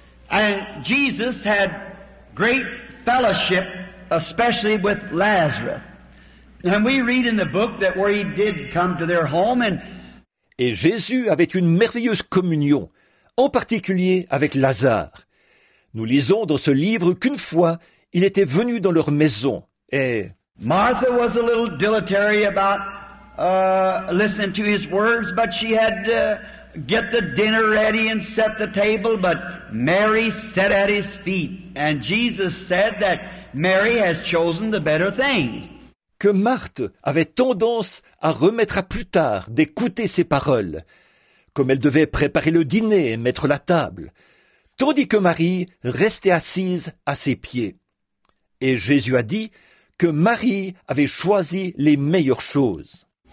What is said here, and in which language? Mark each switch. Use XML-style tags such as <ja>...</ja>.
<en>And Jesus had great fellowship, especially with Lazarus. And we read in the book that where he did come to their home and...</en> <fr>Et Jésus avait une merveilleuse communion, en particulier avec Lazare. Nous lisons dans ce livre qu'une fois, il était venu dans leur maison et...</fr> <en>Martha was a little dilatory about listening to his words, but she had to get the dinner ready and set the table, but Mary sat at his feet. And Jesus said that Mary has chosen the better things.</en> <fr>Que Marthe avait tendance à remettre à plus tard d'écouter ses paroles, comme elle devait préparer le dîner et mettre la table, tandis que Marie restait assise à ses pieds. Et Jésus a dit que Marie avait choisi les meilleures choses.</fr>